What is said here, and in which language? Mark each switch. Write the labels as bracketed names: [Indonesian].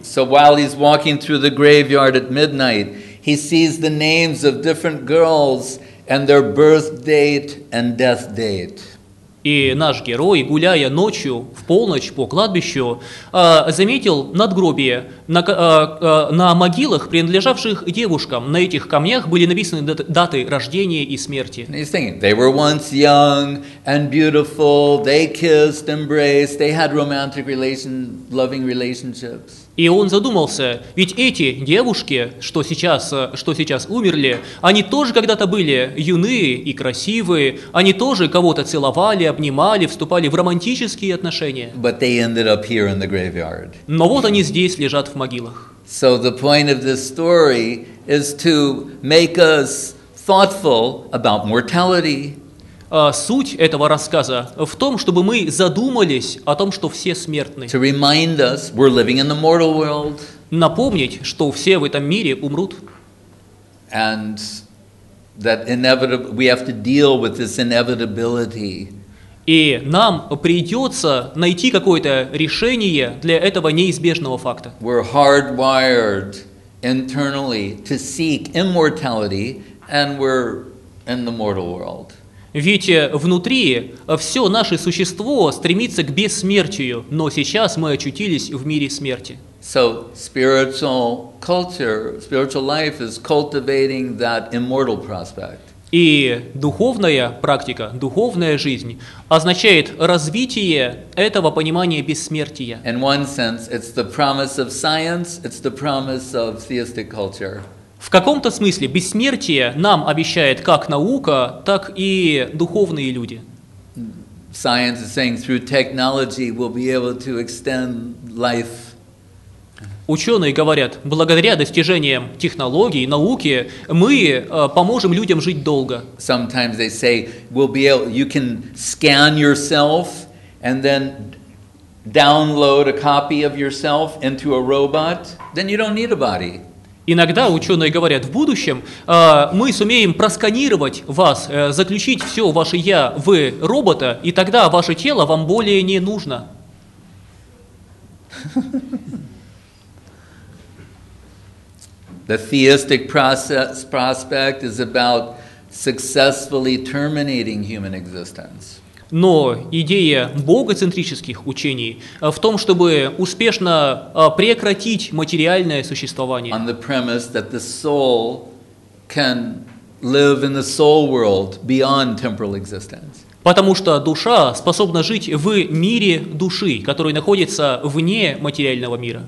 [English] So while he's walking through the graveyard at midnight, he sees the names of different girls and their birth date and death date. [Russian] И наш герой, гуляя ночью в полночь по кладбищу, заметил надгробие на могилах, принадлежавших девушкам. На этих камнях были написаны даты рождения и смерти. [English] He's thinking, they were once young and beautiful, they kissed, embraced, they had romantic relations, loving relationships. [Russian] И он задумался, ведь эти девушки, что сейчас умерли, они тоже когда-то были юные и красивые, они тоже кого-то целовали, обнимали, вступали в романтические отношения. [English] But they ended up here in the graveyard. [Russian] Но вот они здесь лежат в могилах. [English] So the point of this story is to make us thoughtful about mortality. [Russian] Суть этого рассказа в том, чтобы мы задумались о том, что все смертны. [English] To remind us, we're living in the mortal world. [Russian] Напомнить, что все в этом мире умрут. [English] And that we have to deal with this inevitability. [Russian] И нам придется найти какое-то решение для этого неизбежного факта. [English] We're hardwired internally to seek immortality, and we're in the mortal world. [Russian] Ведь внутри все наше существо стремится к бессмертию, но сейчас мы очутились в мире смерти. [English] So spiritual culture, spiritual life is cultivating that immortal prospect. [Russian] И духовная практика, духовная жизнь означает развитие этого понимания бессмертия. [English] In one sense, it's the promise of science, it's the promise of theistic culture. [Russian] В каком-то смысле бессмертие нам обещает как наука, так и духовные люди. [English] Science is saying through technology we'll be able to extend life. [Russian] Ученые говорят, благодаря достижениям технологий, науки, мы поможем людям жить долго. [English] Sometimes they say we'll be able, you can scan yourself and then download a copy of yourself into a robot, then you don't need a body. [Russian] Иногда ученые говорят, в будущем мы сумеем просканировать вас, заключить все ваше «я» в робота, и тогда ваше тело вам более не нужно. [English] The theistic process, prospect is about successfully terminating human existence. [Russian] Но идея богоцентрических учений в том, чтобы успешно прекратить материальное существование. [English] On the premise that the soul can live in the soul world beyond temporal existence. [Russian] Потому что душа способна жить в мире души, который находится вне материального мира.